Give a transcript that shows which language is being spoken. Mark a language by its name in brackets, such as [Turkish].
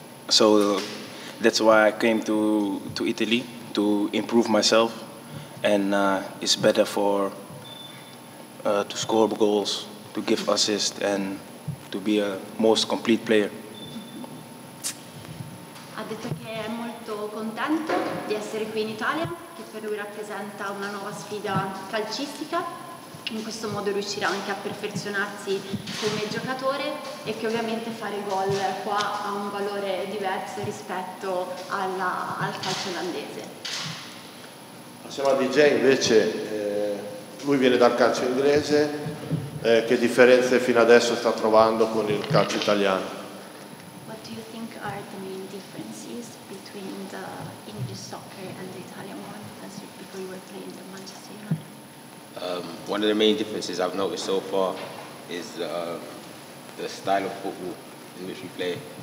[English] So that's why I came to Italy, to improve myself, and it's better for to score goals, to give assists, and to be a most complete player. [Italian] Ha detto che è molto contento di essere qui in Italia, che per lui rappresenta una nuova sfida calcistica. In questo modo riuscirà anche a perfezionarsi come giocatore e che ovviamente fare gol qua ha un valore diverso rispetto al calcio olandese. Passiamo a DJ invece, lui viene dal calcio inglese, che differenze fino adesso sta trovando con il calcio italiano? [English] What do you think are the main differences between the English soccer and the Italian one, as before you were playing the Manchester United? One of the main differences I've noticed so far is the style of football in which we play.